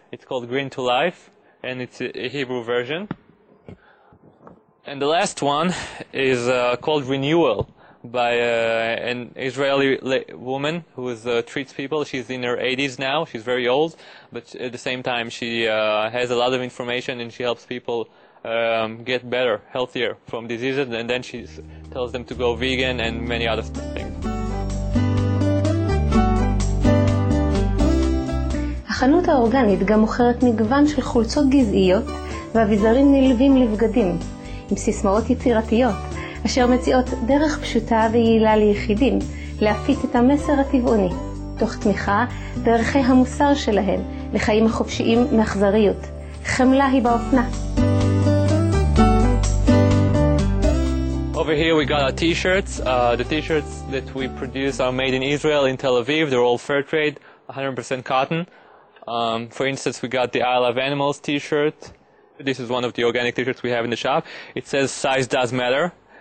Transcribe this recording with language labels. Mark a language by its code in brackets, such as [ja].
[en] It's called Green to Life, and it's a Hebrew version. And the last one is called Renewal, by an Israeli woman who treats people. She's in her 80s now, she's very old, but at the same time she has a lot of information, and she helps people get better, healthier from diseases, and then she tells them to go vegan and many other things. [he] החנות האורגנית גם מוכרת מגוון של חולצות גזעיות ואביזרים נלווים לבגדים, עם סיסמאות יצירתיות, אשר מציעות דרך פשוטה ויעילה ליחידים להפיץ את המסר הטבעוני, תוך תמיכה דרכי המוסר שלהם לחיים החופשיים מאכזריות. חמלה היא באופנה. [en] Over here we got our t-shirts. The t-shirts that we produce are made in Israel, in Tel Aviv. They're all fair trade, 100% cotton. For instance, we got the I Love Animals t-shirt. This is one of the organic t-shirts we have in the shop. It says size does matter.